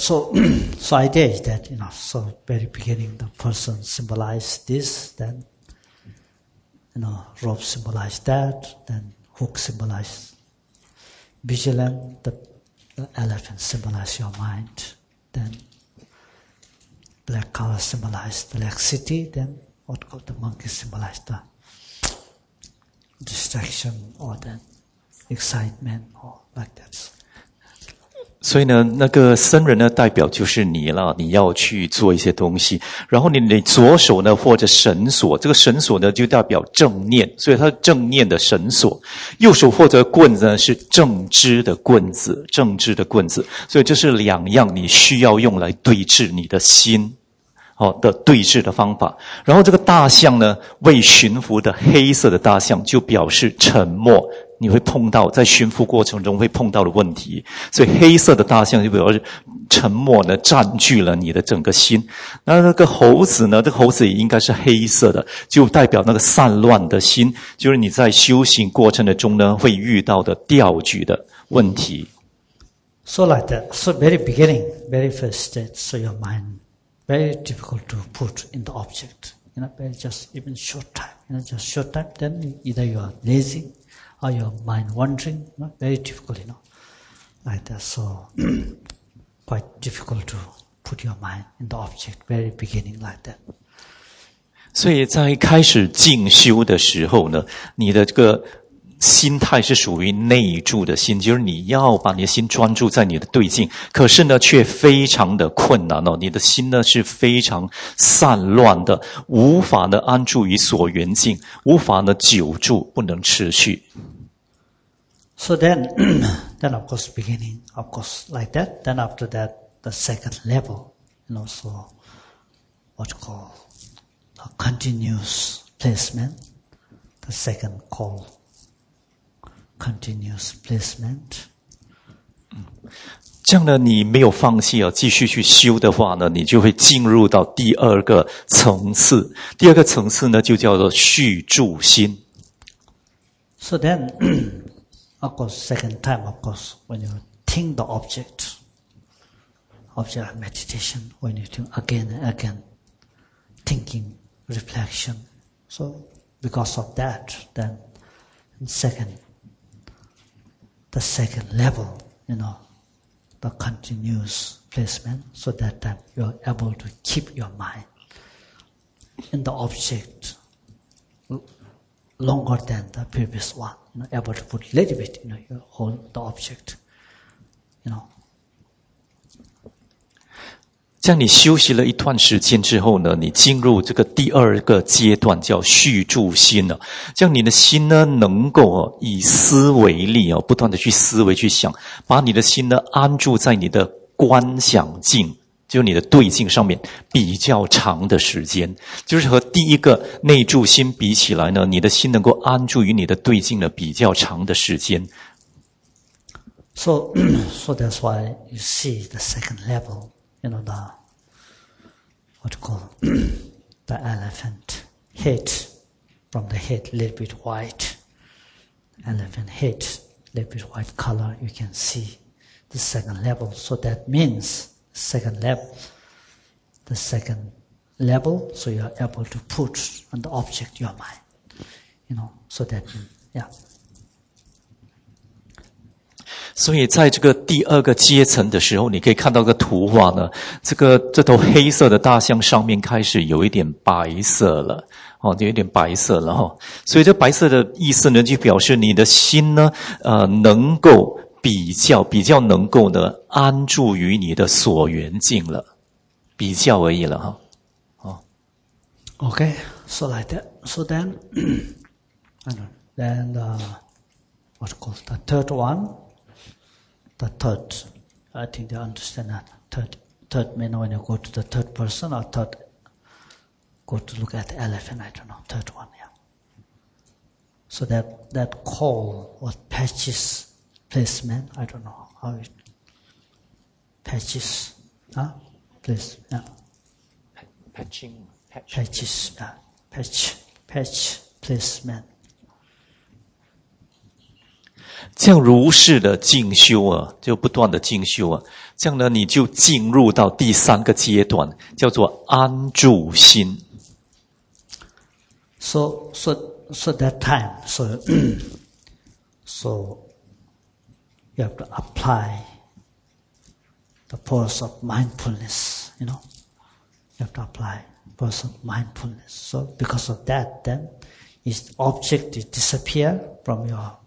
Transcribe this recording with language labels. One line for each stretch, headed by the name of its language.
English: So idea is that, you know, so very beginning the person symbolized this, then, you know, rope symbolized that, then hook symbolized vigilant, the elephant symbolized your mind, then black color symbolized the laxity, then what called the monkey symbolized the distraction or the excitement or like that.
Chinese: 所以呢，那个僧人呢，代表就是你了，你要去做一些东西。然后你左手呢，或者绳索，这个绳索呢，就代表正念，所以它正念的绳索。右手或者棍子呢，是正知的棍子，正知的棍子。所以这是两样你需要用来对治你的心，好的对治的方法。然后这个大象呢，未驯服的黑色的大象，就表示沉默。你会碰到在驯服过程中会碰到的问题，所以黑色的大象就比如沉默的占据了你的整个心。那那个猴子呢，这个猴子也应该是黑色的，就代表那个散乱的心，就是你在修行过程的中呢会遇到的调举的问题。
English: So like that, so very beginning, very first state, so your mind very difficult to put in the object, you know, very just even short time, you know, just short time, then either you are lazyAre your mind wandering? Not very difficult, you know, like that. So, quite difficult to put your mind in the object. Very beginning like that.
Chinese: 所以在开始静修的时候呢，你的这个心态是属于内住的心，就是你要把你的心专注在你的对境，可是呢却非常的困难哦，你的心呢是非常散乱的，无法呢安住于所缘境，无法呢久住，不能持续。
English: So then of course beginning, of course like that, then after that, the second level, you know, so what you call a continuous placement, the second call,Continuous placement.
Chinese: 这样呢，你没有放弃啊，继续去修的话呢，你就会进入到第二个层次。第二个层次呢，就叫做续住心。
English: So then, of course, second time, of course, when you think the object, object meditation, when you think again and again, thinking, reflection. So because of that, then secondthe second level, you know, the continuous placement, so that time you're able to keep your mind in the object longer than the previous one, you know, able to put a little bit, you know, you hold the object, you know.
Chinese: 这样你休息了一段时间之后呢，你进入这个第二个阶段叫续住心了。这样你的心呢能够以思维力不断的去思维去想，把你的心呢安住在你的观想境，就是你的对境上面比较长的时间。就是和第一个内住心比起来呢，你的心能够安住于你的对境呢比较长的时间。
English: So that's why you see the second level. You know, the, what you call, the elephant head, from the head, a little bit white. Elephant head, a little bit white color, you can see the second level. So that means, the second level, so you are able to put on the object your mind. You know, so that, yeah.
Chinese: 所以在这个第二个阶层的时候，你可以看到个图画呢，这头黑色的大象上面开始有一点白色了，哦，有一点白色了，哦，所以这白色的意思呢，就表示你的心呢，能够比较能够呢安住于你的所缘境了，比较而已了，哦。
English: Okay, so like that. So then, then the, what's it called, the third one. The third, I think they understand that. Third mean when you go to the third person or third, go to look at the elephant, I don't know, third one, yeah. So that call or patches placement, I don't know how it, patches, huh? Place, yeah. Patching, patches, yeah. Patch placement.
Chinese: 这样如是的进修啊，就不断的进修啊，这样呢，你就进入到第三个阶段，叫做安住心。
English: So that time, so you have to apply the force of mindfulness, you know, you have to apply force of mindfulness. So because of that, then its object disappear from your.